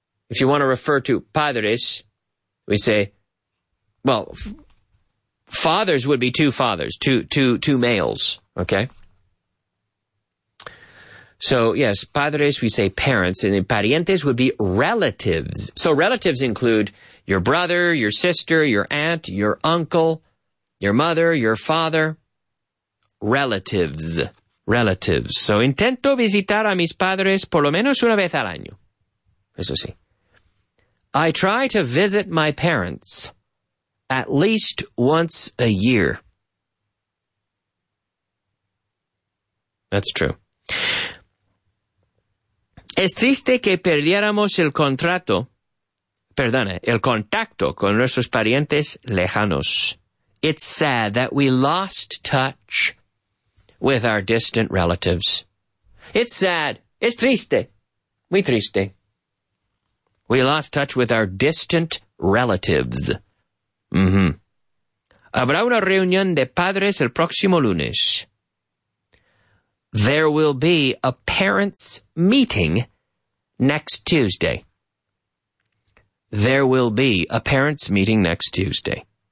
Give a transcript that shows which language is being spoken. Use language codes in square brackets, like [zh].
[en] If you want to refer to padres, we say, well, fathers would be two fathers, two males, okay? So, yes, padres, we say parents, and parientes would be relatives. So relatives include your brother, your sister, your aunt, your uncle, your mother, your father. Relatives. Relatives. [es] So, intento visitar a mis padres por lo menos una vez al año. Eso sí. [en] I try to visit my parents at least once a year. That's true. [es] Es triste que perdiéramos el contrato, perdone, el contacto con nuestros parientes lejanos. [en] It's sad that we lost touch with our distant relatives. It's sad. [es] Es triste. Muy triste. [en] We lost touch with our distant relatives. Mm-hmm. [es] Habrá una reunión de padres el próximo lunes. [en] There will be a parents' meeting next Tuesday. There will be a parents' meeting next Tuesday.